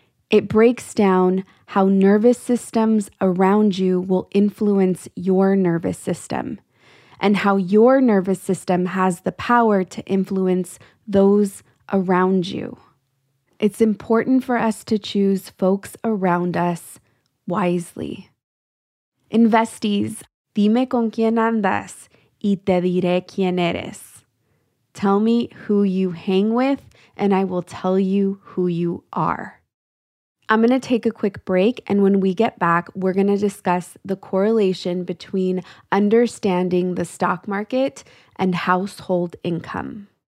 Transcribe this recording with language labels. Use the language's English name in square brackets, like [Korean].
[English] It breaks down how nervous systems around you will influence your nervous system and how your nervous system has the power to influence those around you. It's important for us to choose folks around us wisely. [Spanish] Investees, dime con quién andas y te diré quién eres. [English] Tell me who you hang with and I will tell you who you are. I'm going to take a quick break, and when we get back, we're going to discuss the correlation between understanding the stock market and household income.